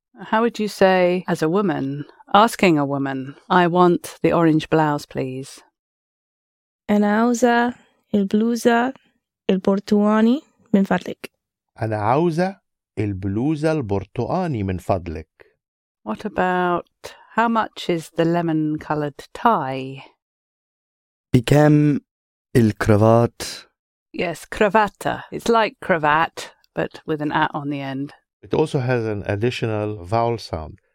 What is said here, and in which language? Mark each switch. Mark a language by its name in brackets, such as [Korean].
[English] How would you say, as a woman, asking a woman, I want the orange blouse, please? [Arabic] أنا عاوزة البلوزة البرتقاني من فضلك. أنا عاوزة البلوزة البرتقاني من فضلك. [English] What about, how much is the lemon-coloured tie? [Arabic] بكم الكروات. [English] Yes, cravata. It's like cravat, but with an at on the end. It also has an additional vowel sound.